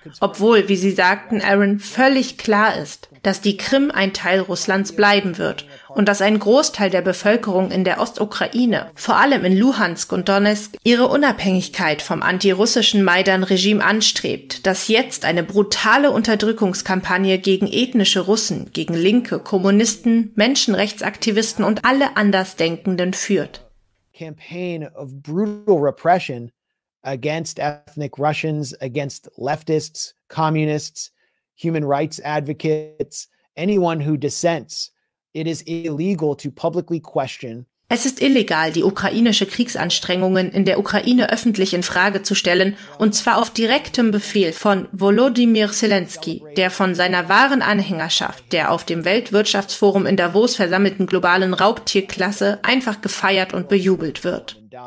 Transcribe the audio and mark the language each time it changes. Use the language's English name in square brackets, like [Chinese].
[German] Obwohl, wie Sie sagten, Aaron, völlig klar ist, dass die Krim ein Teil Russlands bleiben wird und dass ein Großteil der Bevölkerung in der Ostukraine, vor allem in Luhansk und Donetsk, ihre Unabhängigkeit vom antirussischen Maidan-Regime anstrebt, das jetzt eine brutale Unterdrückungskampagne gegen ethnische Russen, gegen Linke, Kommunisten, Menschenrechtsaktivisten und alle Andersdenkenden führt. [English] Campaign of brutal repression against ethnic Russians, against leftists, communists, human rights advocates, anyone who dissents. It is illegal to publicly question. [German] Es ist illegal, die ukrainische Kriegsanstrengungen in der Ukraine öffentlich in Frage zu stellen, und zwar auf direktem Befehl von Volodymyr Zelensky, der von seiner wahren Anhängerschaft, der auf dem Weltwirtschaftsforum in Davos versammelten globalen Raubtierklasse, einfach gefeiert und bejubelt wird.